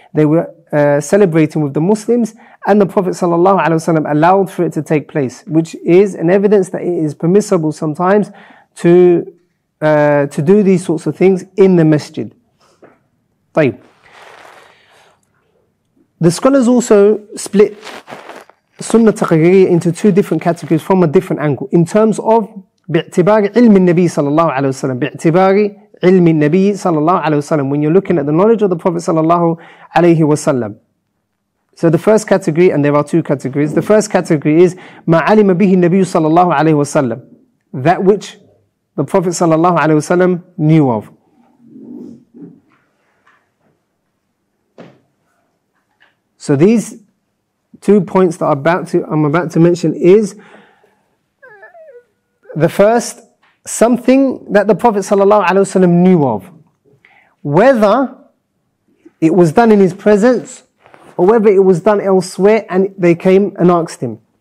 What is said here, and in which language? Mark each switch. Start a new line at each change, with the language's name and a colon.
English: They were celebrating with the Muslims, and the Prophet sallallahu alaihi wasallam allowed for it to take place, which is an evidence that it is permissible sometimes to do these sorts of things in the masjid.
Arabic: طيب.
English: The scholars also split Sunnah Taqririyah into two different categories from a different angle. In terms of
Arabic: بِاعْتِبَارِ عِلْمِ النَّبِيِّ صَلَى اللَّهُ عَلَيْهُ وَسَلَّمُ بِاعْتِبَارِ عِلْمِ النَّبِيِّ صَلَى اللَّهُ عَلَيْهُ وَسَلَّمُ.
English: When you're looking at the knowledge of the Prophet صلى الله عليه وسلم. So the first category, and there are two categories. The first category is
Arabic: مَا عَلِمَ بِهِ النَّبِيُّ صَلَى اللَّهُ عَلَيْهُ وَسَلَّمُ.
English: That which the Prophet صلى الله عليه وسلم knew of. So these two points that I'm about to mention is the first, something that the Prophet sallallahu alaihi wasallam knew of, whether it was done in his presence or whether it was done elsewhere and they came and asked him.